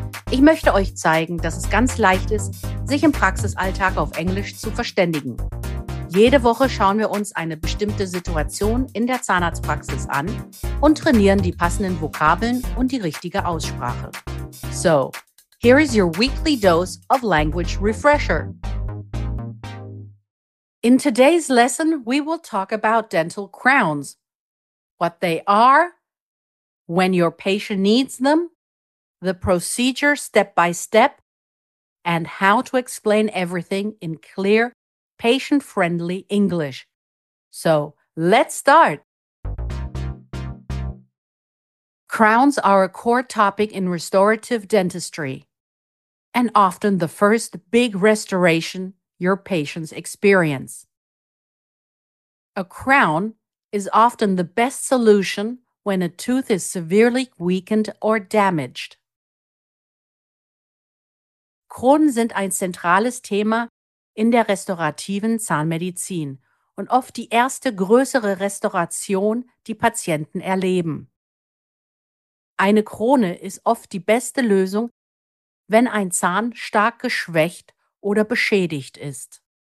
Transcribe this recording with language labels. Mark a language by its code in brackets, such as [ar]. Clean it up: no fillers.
[de] Ich möchte euch zeigen, dass es ganz leicht ist, sich im Praxisalltag auf Englisch zu verständigen. Jede Woche schauen wir uns eine bestimmte Situation in der Zahnarztpraxis an und trainieren die passenden Vokabeln und die richtige Aussprache. [en] So, here is your weekly dose of language refresher. In today's lesson, we will talk about dental crowns, what they are, when your patient needs them, the procedure step by step, and how to explain everything in clear, patient-friendly English. So, let's start! Crowns are a core topic in restorative dentistry, and often the first big restoration your patients experience. A crown is often the best solution when a tooth is severely weakened or damaged. [de] Kronen sind ein zentrales Thema in der restaurativen Zahnmedizin und oft die erste größere Restauration, die Patienten erleben. Eine Krone ist oft die beste Lösung, wenn ein Zahn stark geschwächt oder beschädigt ist.